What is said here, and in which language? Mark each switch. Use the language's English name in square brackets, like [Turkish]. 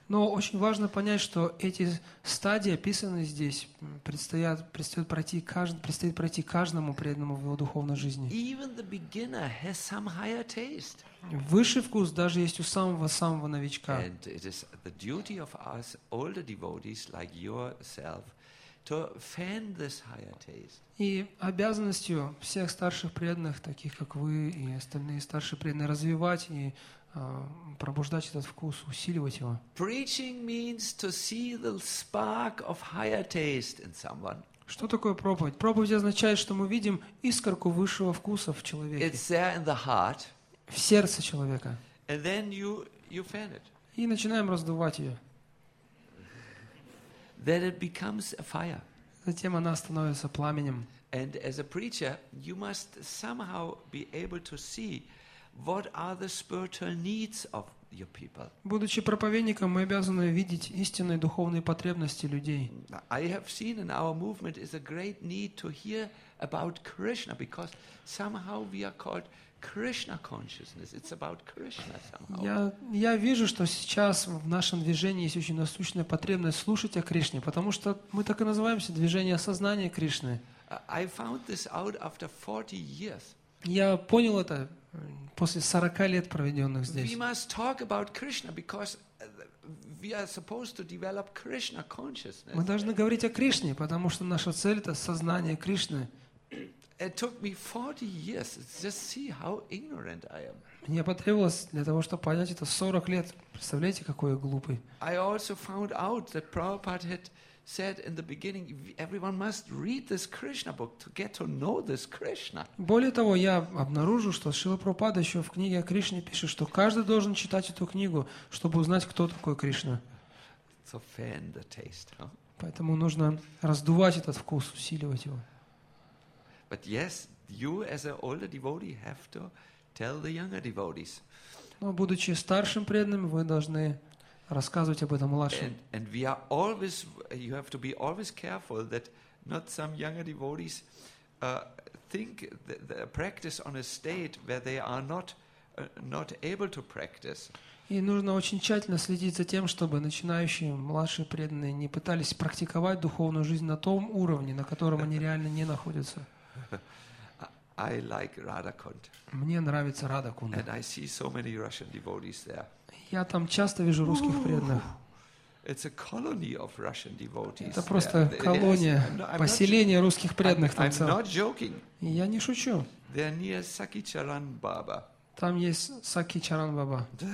[Russian] Но очень важно понять, что эти стадии, описанные здесь, предстоит пройти каждому преданному в его духовной жизни. [English] Even the beginner has some higher taste. [Russian] Высший вкус даже есть у самого новичка. [English] And it is the duty of us older devotees like yourself to fan this higher taste. [Russian] И обязанностью всех старших преданных, таких как вы и остальные старшие преданные, развивать и пробуждать этот вкус, усиливать его. [English] Preaching means to see the spark of higher taste in someone. [Russian] Что такое проповедь? Проповедь означает, что мы видим искорку высшего вкуса в человеке. [English] It's there in the heart. [Russian] В сердце человека. [English] And then you fan it. [Russian] И начинаем раздувать ее. [English] Then it becomes a fire. [Russian] Затем она становится пламенем. [English] And as a preacher, you must somehow be able to see what are the spiritual needs of your people. [Russian] Будучи проповедником, мы обязаны видеть истинные духовные потребности людей. [English] I have seen in our movement is a great need to hear about Krishna, because somehow we are called Krishna consciousness. It's about Krishna somehow. [Russian] Я вижу, что сейчас в нашем движении есть очень насущная потребность слушать о Кришне, потому что мы так и называемся движение осознания Кришны. [English] I found this out after 40 years. [Russian] Я понял это после 40 лет, проведенных здесь. [English] We must talk about Krishna, because we are supposed to develop Krishna consciousness. [Russian] Мы должны говорить о Кришне, потому что наша цель — это сознание Кришны. [English] It took me 40 years. Just see how ignorant I am. [Russian] Мне потребовалось для того, чтобы понять это 40 лет. Представляете, какой я глупый. [English] I also found out that Prabhupada had said in the beginning, everyone must read this Krishna book to get to know this Krishna. [Russian] Более того, я обнаружил, что Шрила Прабхупада еще в книге о Кришне пишет, что каждый должен читать эту книгу, чтобы узнать, кто такой Кришна. [English] To fan the taste, huh? [Russian] Поэтому нужно раздувать этот вкус, усиливать его. [English] But yes, you as an older devotee have to tell the younger devotees. [Russian] Но будучи старшим преданным, вы должны рассказывать об этом младшим. [English] And we are always, you have to be always careful that not some younger devotees think that practice on a state where they are not able to practice. [Russian] И нужно очень тщательно следить за тем, чтобы начинающие младшие преданные не пытались практиковать духовную жизнь на том уровне, на котором они реально не находятся. [English] I like Radha Kund. [Russian] Мне нравится Радха Кунда. [English] And I see so many Russian devotees there. [Russian] Я там часто вижу русских преданных. [English] It's a colony of Russian devotees. [Russian] Это просто колония, поселение русских преданных там. [English] I'm not joking. [Russian] Я не шучу. [English] They're near Sakicharan Baba. [Russian] Там есть Сакичаран Баба.